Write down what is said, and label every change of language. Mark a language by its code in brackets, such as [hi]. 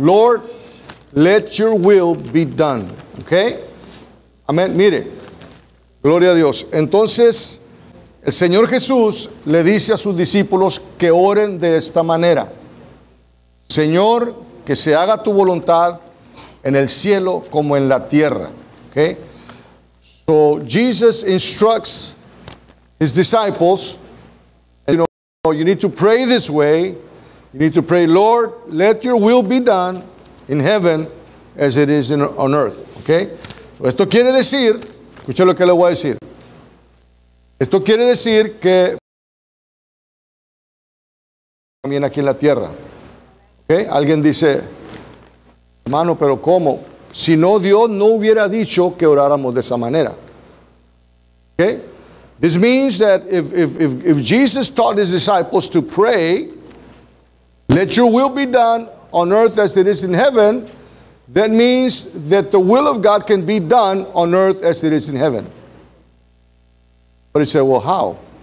[en] Lord, let your will be done. Ok. Amén. [es] Mire. Gloria a Dios. Entonces, el Señor Jesús le dice a sus discípulos que oren de esta manera: Señor, que se haga tu voluntad en el cielo como en la tierra. [en] Ok. So, Jesus instructs his disciples, you need to pray this way. You need to pray, Lord, let your will be done in heaven as it is on earth. Okay? [es] So esto quiere decir, escucha lo que le voy a decir. Esto quiere decir que también aquí en la tierra. Okay? Alguien dice: hermano, pero ¿cómo? Si no, Dios no hubiera dicho que oráramos de esa manera. [en] Okay? This means that if Jesus taught his disciples to pray, let your will be done on earth as it is in heaven, that means that the will of God can be done on earth as it is in heaven. But he said, well, how?